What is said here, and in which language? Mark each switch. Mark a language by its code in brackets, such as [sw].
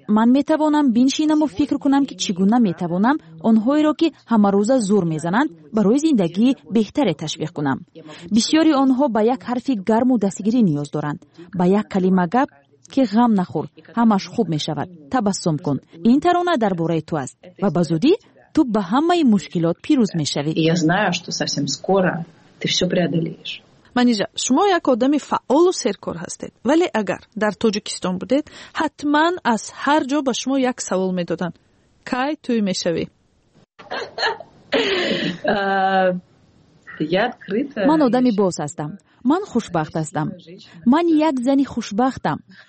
[fa] من میتوانم بینشینم و فکر کنم که چگونه میتوانم آنهایی را که همه روزه زور میزنند برای زندگی بهتر تشویق کنم. بسیاری آنها با یک حرف گرم و دستگیری نیاز دارند. با یک کلمه گپ که غم نخور، همش خوب میشود، تبسم کن. این ترانه در باره تو است و بزودی تو به همه مشکلات پیروز میشوی. [ru] Я знаю, что совсем скоро ты всё преодолеешь. [fa] منیجا، شما یک آدم فعال و سرکار هستید، ولی اگر در تاجیکستان بودید حتما از هر جا به شما یک سوال میدادن. کی توی میشوی؟ من آدم باز هستم. من خوشبخت هستم. من یک زنی خوشبختم.